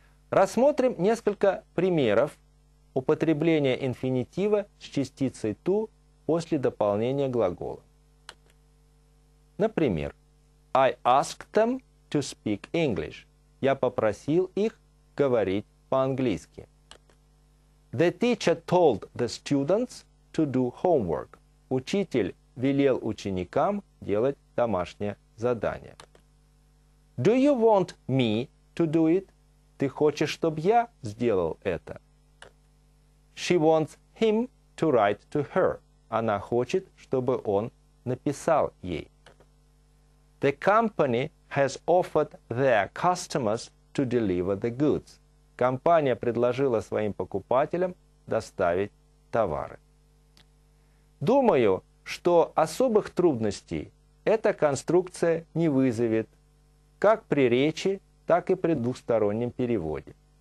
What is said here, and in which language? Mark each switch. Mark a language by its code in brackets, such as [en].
[ru] Рассмотрим несколько примеров употребления инфинитива с частицей to после дополнения глагола. Например, [en] I asked them to speak English. [ru] Я попросил их говорить по-английски. [en] The teacher told the students to do homework. [ru] Учитель велел ученикам делать домашнее задание. [en] Do you want me to do it? [ru] Ты хочешь, чтобы я сделал это? [en] She wants him to write to her. [ru] Она хочет, чтобы он написал ей. [en] The company has offered their customers to deliver the goods. [ru] Компания предложила своим покупателям доставить товары. Думаю, что особых трудностей эта конструкция не вызовет, как при речи, так и при двухстороннем переводе.